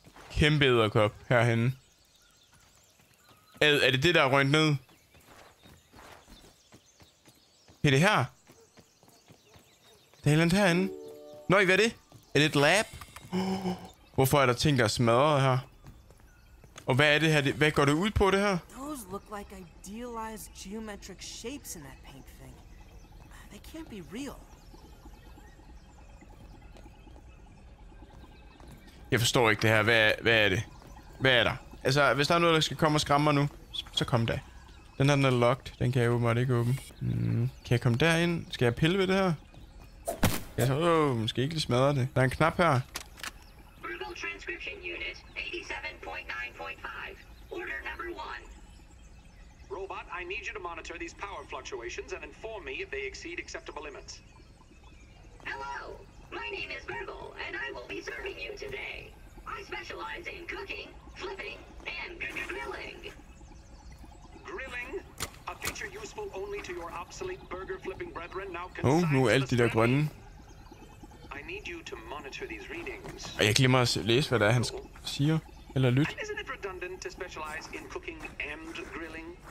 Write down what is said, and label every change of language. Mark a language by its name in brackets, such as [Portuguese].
[Danish] kæmpe edderkop herhenne. Er det det, der er røgnet ned? Er det her? Der er helt andet herhenne. Nøj, hvad er det? Er det et lab? Hvorfor er der ting, der er smadret her? Og hvad er det her? Hvad går det ud på, det her? [English] Those look like idealized geometric shapes in that pink thing. They can't be real. [Danish] Jeg forstår ikke det her. Hvad er det? Hvad er der? Altså, hvis der er noget, der skal komme og skræmme mig nu, så kom da. Den her, den er locked. Den kan jeg åbenbart ikke åbne. Kan jeg komme derind? Skal jeg pille ved det her? Jeg så, måske ikke lige smadre det. Der er en knap her. [English] Brutal transcription unit 87.9.5. Order number 1. Robot, I need you to monitor these power fluctuations and inform me if they exceed acceptable limits. Hello, my name is Burgle and I will be serving you today. I specialize in cooking, flipping, and grilling. Grilling? A feature useful only to your obsolete burger flipping brethren. Now [Danish] nu er alt det der grønne. [English] I need you to monitor these readings. [Danish] Og jeg glemmer at læse, hvad der er, han siger. Eller lyt. [English] Isn't it redundant to specialize in cooking and grilling?